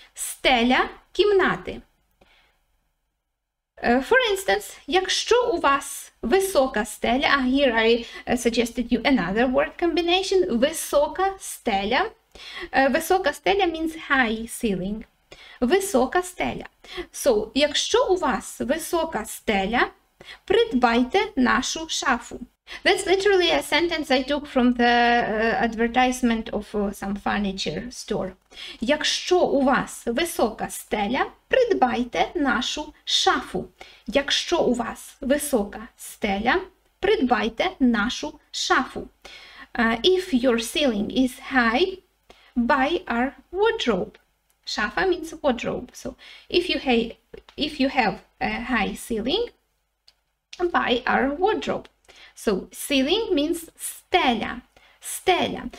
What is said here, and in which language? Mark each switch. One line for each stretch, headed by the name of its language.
Ukrainian: Стеля кімнати.
English: For instance,
Ukrainian: якщо у вас висока стеля,
English: here I suggested you another word combination,
Ukrainian: висока стеля. Висока стеля
English: means high ceiling.
Ukrainian: Висока стеля. So, якщо у вас висока стеля, придбайте нашу шафу.
English: That's literally a sentence I took from the advertisement of some furniture store.
Ukrainian: Якщо у вас висока стеля, придбайте нашу шафу. Якщо у вас висока стеля, придбайте нашу шафу.
English: If your ceiling is high, buy our wardrobe. Шафа means wardrobe. So, if you have a high ceiling, buy our wardrobe. So, ceiling means стеля. Стеля.